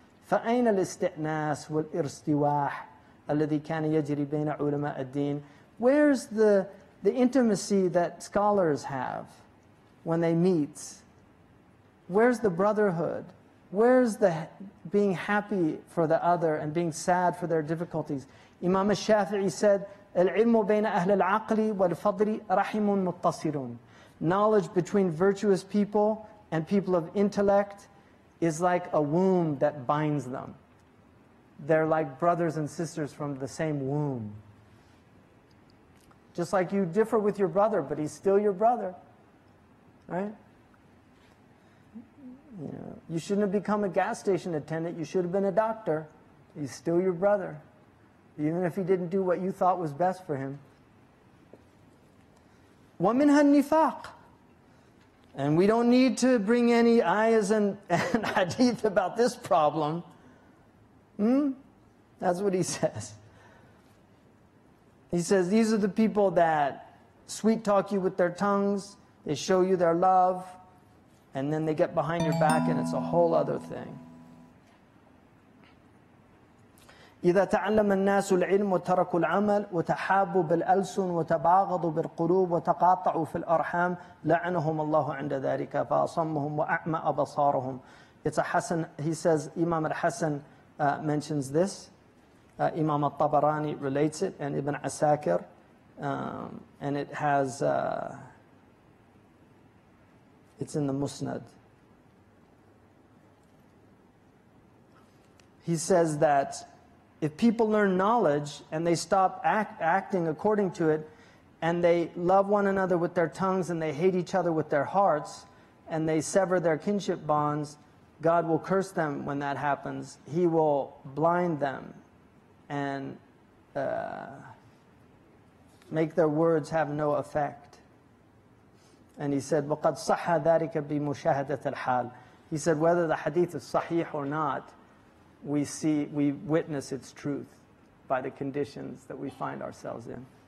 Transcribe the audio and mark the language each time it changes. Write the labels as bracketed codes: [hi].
[ar] فَأَيْنَ الْاِسْتِئْنَاسِ وَالْإِرْسْتِوَاحِ الَّذِي كَانَ يَجْرِي بَيْنَ عُلَمَاءَ الدِّينِ. [en] Where's the intimacy that scholars have when they meet? Where's the brotherhood? Where's the being happy for the other and being sad for their difficulties? Imam al-Shafi'i said, [ar] الْعِلْمُ بَيْنَ أَهْلِ الْعَقْلِ وَالْفَضْلِ رَحِمٌ مُتَّصِرٌ. [en] Knowledge between virtuous people and people of intellect is like a womb that binds them. They're like brothers and sisters from the same womb. Just like you differ with your brother, but he's still your brother, right? You shouldn't have become a gas station attendant, you should have been a doctor. He's still your brother, even if he didn't do what you thought was best for him. [ar] وَمِنْهَا النِّفَاقِ. [en] And we don't need to bring any ayahs and hadith about this problem. That's what he says. He says, these are the people that sweet talk you with their tongues, they show you their love, and then they get behind your back and it's a whole other thing. [ar] إذا تعلم الناس العلم وتركوا العمل وتحابوا بالألسن وتباغضوا بالقلوب وتقاطعوا في الأرحام لعنهم الله عند ذلك فأصمهم وأعمى أبصارهم. [en] It's a Hassan, he says, Imam al-Hassan mentions this. Imam al-Tabarani relates it, and Ibn Asakir. And it has, it's in the Musnad. He says that if people learn knowledge and they stop acting according to it, and they love one another with their tongues and they hate each other with their hearts, and they sever their kinship bonds, God will curse them when that happens. He will blind them and make their words have no effect. And he said, [ar] وَقَدْ صَحَّ ذَٰرِكَ بِمُشَاهَدَةِ الْحَالِ. [en] He said, whether the hadith is sahih or not, we witness its truth by the conditions that we find ourselves in.